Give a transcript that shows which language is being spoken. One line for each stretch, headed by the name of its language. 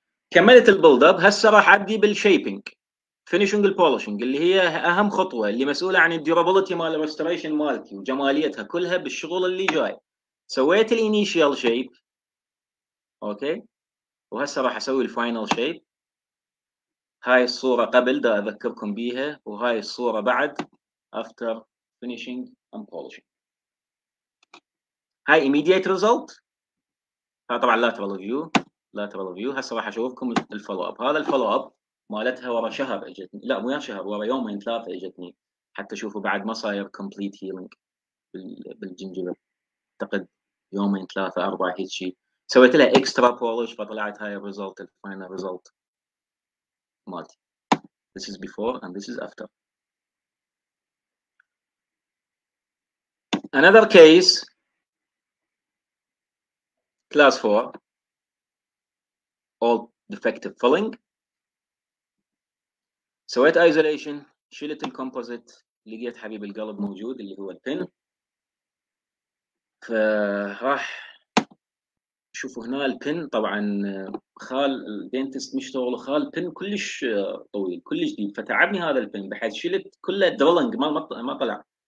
Arabic: كملت البولد اب، هسه راح ابدي بالشيبنج فينيشنج البولشنج اللي هي اهم خطوه، اللي مسؤوله عن الديورابيلتي مال الريستوريشن مالتي وجماليتها كلها بالشغل اللي جاي. سويت الانيشال شيب اوكي، وهسه راح اسوي الفاينل شيب. هاي الصوره قبل دا اذكركم بيها، وهاي الصوره بعد
English: after finishing and polishing.
Arabic: هاي
English: immediate result.
Arabic: هذا طبعا
English: lateral view. Lateral view.
Arabic: هسه راح اشوفكم الفولو اب. هذا الفولو اب مالتها ورا شهر اجتني، لا مو شهر، ورا يومين ثلاثه اجتني حتى اشوفه بعد ما صاير
English: complete healing
Arabic: بالجنجبه. اعتقد يومين ثلاثه اربعه هيك شيء. سويت لها
English: extra polish
Arabic: فطلعت هاي الريزلت الفاينل ريزلت مالتي.
English: This is before and this is after. Another case, class 4, all defective filling.
Arabic: سويت isolation, شلت الكومبوزيت، لقيت حبيب القلب موجود اللي هو البن. فراح شوفوا هنا البن طبعا خال الدينتست مش طول، خال البن كلش طويل كلش ديب، فتعبني هذا البن بحيث شلت كله الدرلنج ما طلع.